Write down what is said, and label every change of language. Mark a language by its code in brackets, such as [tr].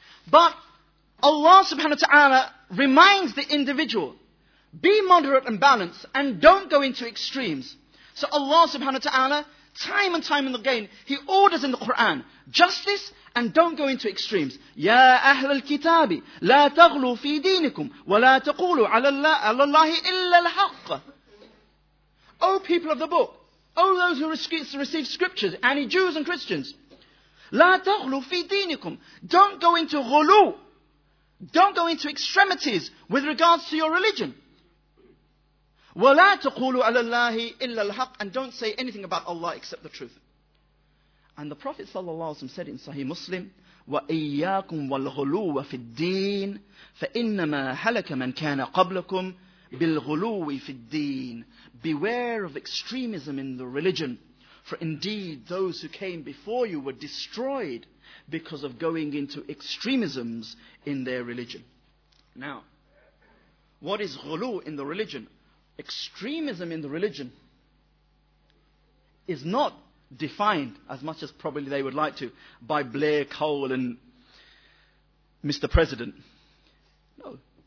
[en] But Allah subhanahu wa ta'ala reminds the individual, be moderate and balanced, and don't go into extremes. So Allah subhanahu wa ta'ala, time and time again, He orders in the Quran, justice and don't go into extremes. [ar] يا أهل الكتاب لا تغلوا في دينكم ولا تقولوا على الله إلا الحق. [en] O people of the book, O those who receive scriptures, any Jews and Christians, [ar] لا تغلوا في دينكم. [en] Don't go into غلو. Don't go into extremities with regards to your religion. [ar] ولا تقولوا على الله إلا الحق. [en] And don't say anything about Allah except the truth. And the Prophet ﷺ said in Sahih Muslim, [ar] وَإِيَّاكُمْ وَالْغُلُوَ فِي الدِّينِ فَإِنَّمَا هَلَكَ مَنْ كَانَ قَبْلَكُمْ بِالْغُلُوِ فِي الدِّينِ. [en] Beware of extremism in the religion, for indeed those who came before you were destroyed because of going into extremisms in their religion. Now, what is ghulu in the religion? Extremism in the religion is not defined, as much as probably they would like to, by Blair Cole and Mr. President. No.